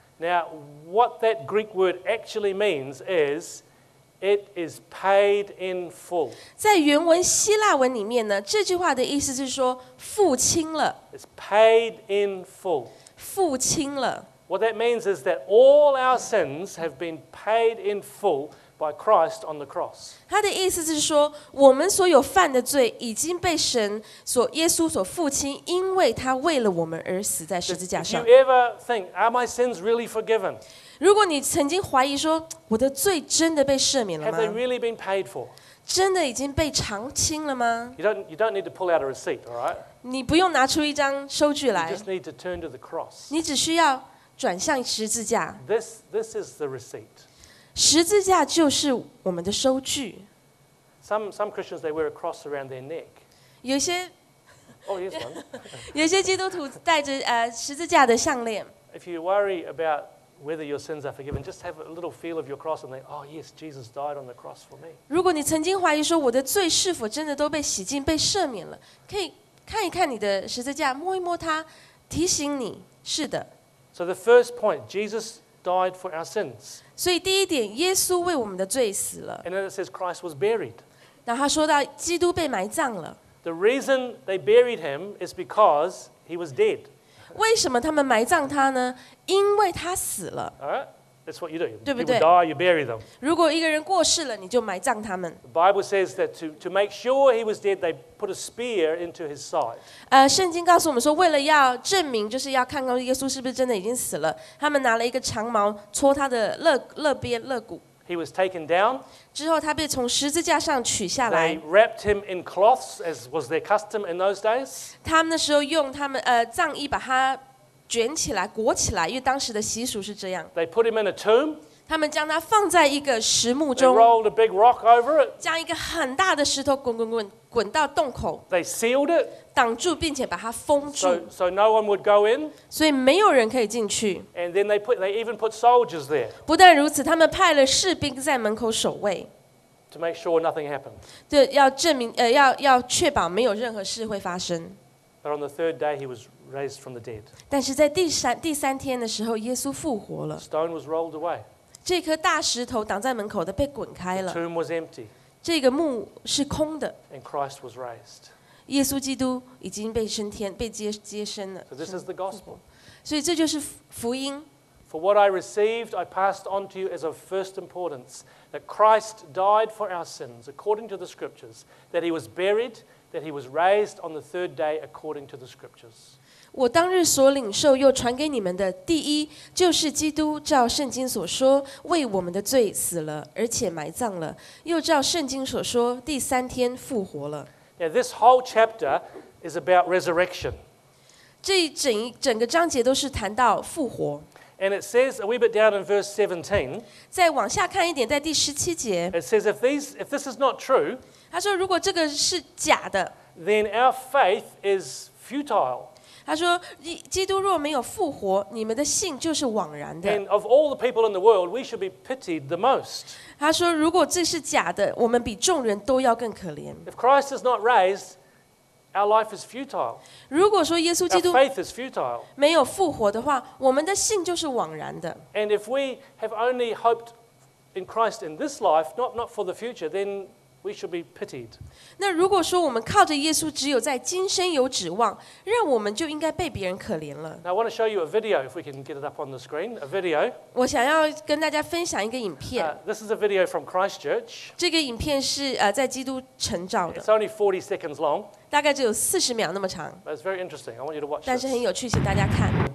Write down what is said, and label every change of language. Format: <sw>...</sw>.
<en>Now, what that Greek word actually means is, it is paid in full.</en> <zh>在原文希腊文里面呢，这句话的意思是说付清了。</zh> <en>It's paid in full.</en> <zh>付清了。</zh> <en>What that means is that all our sins have been paid in full. By Christ on the cross.</en> <zh>他的意思是说，我们所有犯的罪已经被神所耶稣所付清，因为他为了我们而死在十字架上。</zh> <en>If you ever think, are my sins really forgiven?</en> <zh>如果你曾经怀疑说，我的罪真的被赦免了吗？</zh> <en>Have they really been paid for?</en> <zh>真的已经被偿清了吗？</zh> <en>You don't need to pull out a receipt, all right?</en> <zh>你不用拿出一张收据来。</zh> <en>You just need to turn to the cross.</en> <zh>你只需要转向十字架。</zh> <en>This is the receipt.</en> <zh>十字架就是我们的收据。</zh> <en>Some Christians they wear a cross around their neck.</en> <zh>有些</zh> <en>Oh, here's one.</en> <zh>有些基督徒戴着十字架的项链。</zh> <en>If you worry about whether your sins are forgiven, just have a little feel of your cross and think, oh yes, Jesus died on the cross for me.</en> <zh>如果你曾经怀疑说我的罪是否真的都被洗净、被赦免了，可以看一看你的十字架，摸一摸它，提醒你是的。</zh> <en>So the first point, Jesus died for our sins.</en> <zh>所以第一点，耶稣为我们的罪死了。</zh> <en>And then it says Christ was buried.</en> <zh>然后他说到基督被埋葬了。</zh> <en>The reason they buried him is because he was dead.</en> <zh>为什么他们埋葬他呢？因为他死了。</zh> <en>All right, that's what you do.</en> <zh>对不对？</zh> <en>People die, you bury them.</en> <zh>如果一个人过世了，你就埋葬他们。</zh> <en>The Bible says that to make sure he was dead, they put a spear into his side.</en> <zh>圣经告诉我们说，为了要证明，就是要看看耶稣是不是真的已经死了，他们拿了一个长矛戳他的肋骨。</zh> <en>He was taken down.</en> <zh>之后他被从十字架上取下来。</zh> <en>They wrapped him in cloths, as was their custom in those days.</en> <zh>他们那时候用他们葬衣把他卷起来裹起来，因为当时的习俗是这样。</zh> <en>They put him in a tomb.</en> <zh>他们将他放在一个石墓中。</zh> <en>They rolled a big rock over it.</en> <zh>将一个很大的石头滚到洞口。</zh> <en>They sealed it.</en> <zh>挡住并且把它封住。</zh> <en>So no one would go in.</en> <zh>所以没有人可以进去。</zh> <en>And then they even put soldiers there.</en> <zh>不但如此，他们派了士兵在门口守卫。</zh> <en>To make sure nothing happened.</en> <zh>对，要证明要确保没有任何事会发生。</zh> <en>But on the third day he was raised from the dead.</en> <zh>但是在第三天的时候，耶稣复活了。</zh> <en>Stone was rolled away.</en> <zh>这颗大石头挡在门口的被滚开了。</zh> <en>The tomb was empty.</en> <zh>这个墓是空的。</zh> <en>And Christ was raised.</en> <zh>耶稣基督已经被升天，被接升了。</zh> <en>So this is the gospel.</en> <zh>所以这就是福音。</zh> <en>For what I received, I passed on to you as of first importance, that Christ died for our sins, according to the scriptures, that he was buried, that he was raised on the third day, according to the scriptures.</en> <zh>我当日所领受又传给你们的，第一就是基督照圣经所说为我们的罪死了，而且埋葬了；又照圣经所说第三天复活了。</zh> <en>Now, this whole chapter is about resurrection.</en> <zh>这整个章节都是谈到复活。</zh> <en>And it says a wee bit down in verse 17.</en> <zh>再往下看一点，在第十七节。</zh> <en>It says if this is not true.</en> <zh>他说如果这个是假的</zh> <en>，then our faith is futile.</en> <zh>他说：“基督若没有复活，你们的信就是枉然的。”</zh> <en>And of all the people in the world, we should be pitied the most.</en> <zh>他说：“如果这是假的，我们比众人都要更可怜。”</zh> <en>If Christ is not raised, our life is futile.</en> <zh>如果说耶稣基督</zh> <en>our faith is futile.</en> <zh>没有复活的话，我们的信就是枉然的。</zh> <en>And if we have only hoped in Christ in this life, not for the future, then We should be pitied.</en> <zh>那如果说我们靠着耶稣只有在今生有指望，让我们就应该被别人可怜了。</zh> <en>Now I want to show you a video, if we can get it up on the screen, a video.</en> <zh>我想要跟大家分享一个影片。</zh> <en>This is a video from Christchurch.</en> <zh>这个影片是在基督城照的。</zh> <en>It's only 40 seconds long.</en> <zh>大概只有四十秒那么长。</zh> <en>But it's very interesting. I want you to watch.</en> <zh>但是很有趣，请大家看。</zh>